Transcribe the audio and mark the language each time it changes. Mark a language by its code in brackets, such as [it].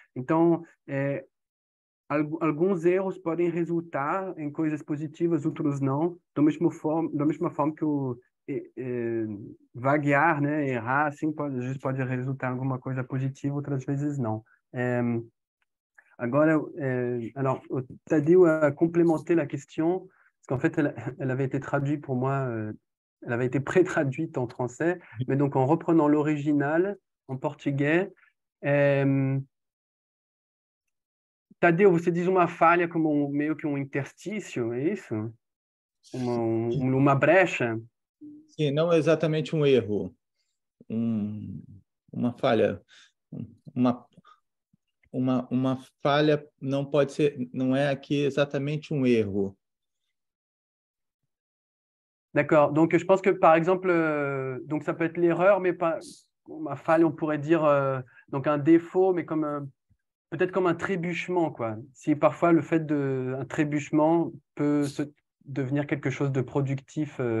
[pt] Então, alguns erros podem resultar em coisas positivas, outros não, da mesma forma que o vaguear, né, errar, assim, pode resultar em alguma coisa positiva, outras vezes não. [fr] Agora, alors, o Tadeu a complementé la question, parce qu'en fait, elle avait été traduite pour moi, elle avait été pré-traduite en français, mais donc en reprenant l'original en portugais. [pt] Tadeu, você diz uma falha como meio que um interstício, é isso? Uma brecha? Sim, não exatamente um erro. Uma falha. Uma falha não pode ser, não é aqui exatamente um erro. [fr] D'accord. Donc, je pense que, par exemple, donc ça peut être l'erreur, mais pas [pt] uma falha, [fr] on pourrait dire, donc un défaut, mais comme peut-être comme un trébuchement, quoi. Si parfois le fait d'un trébuchement peut devenir quelque chose de productif.